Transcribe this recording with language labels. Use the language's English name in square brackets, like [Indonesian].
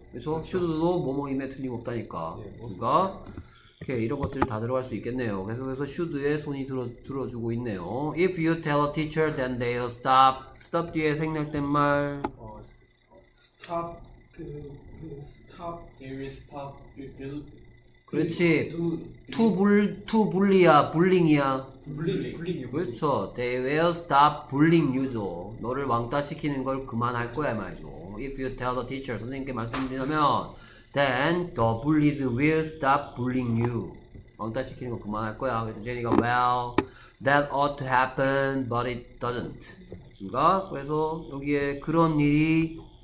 [Korean] 그래서 should도 뭐뭐임에 틀림없다니까 그러니까 오케이 이런 것들 다 들어갈 수 있겠네요. 계속해서 should에 손이 들어주고 있네요. [English] If you tell a teacher, then they'll stop. [Korean] stop 뒤에 생략된 말. [English] stop. they will stop. [Korean] They'll, 그렇지. to bully야, bullying이야. bullying이요. 그렇죠. [English] they will stop bullying you [Korean] 죠. 너를 왕따 시키는 걸 그만할 거야 말이죠. [English] If you tell a teacher, [Korean] 선생님께 말씀드리면. [English] Then the bullies will stop bullying you. [Korean] 왕따 시키는 거 그만할 거야. 그래서 제니가 [English] well, that ought to happen, but it doesn't. [Korean] 맞습니까? 그래서 여기에 그런 일이